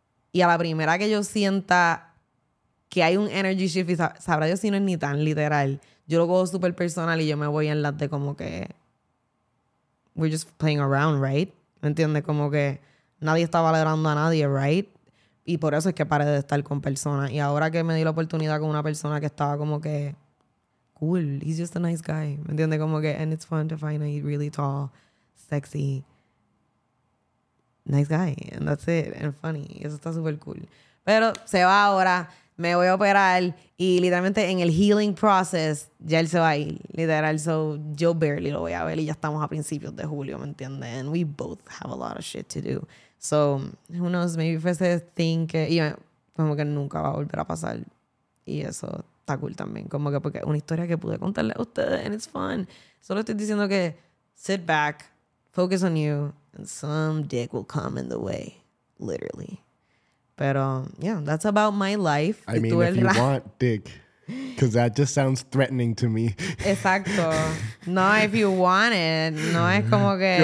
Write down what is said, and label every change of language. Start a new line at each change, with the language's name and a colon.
Spanish: Y a la primera que yo sienta que hay un energy shift, y sabrá Dios si no es ni tan literal, yo lo cojo súper personal y yo me voy en las de como que...
English: We're just playing around, right?
Spanish: ¿Me entiendes? Como que nadie está valorando a nadie, right? Y por eso es que paré de estar con personas. Y ahora que me di la oportunidad con una persona que estaba como que...
English: Cool, he's just a nice guy.
Spanish: ¿Me entiendes? Como que...
English: And it's fun to find a really tall, sexy... Nice guy. And that's it. And funny.
Spanish: Eso está súper cool. Pero se va ahora. Me voy a operar. Y literalmente en el healing process, ya él se va a ir. Literal. So, yo barely lo voy a ver. Y ya estamos a principios de julio, ¿me entiendes?
English: And we both have a lot of shit to do. So, who knows? Maybe if it's a thing que...
Spanish: Y como que nunca va a volver a pasar. Y eso está cool también. Como que porque es una historia que pude contarle a ustedes.
English: And it's fun.
Spanish: Solo estoy diciendo que
English: sit back, focus on you, and some dick will come in the way. Literally. Pero, yeah, that's about my life. I mean, if you want dick, because that just sounds threatening to me.
Spanish: Exacto. No,
English: if you want it,
Spanish: no es como que...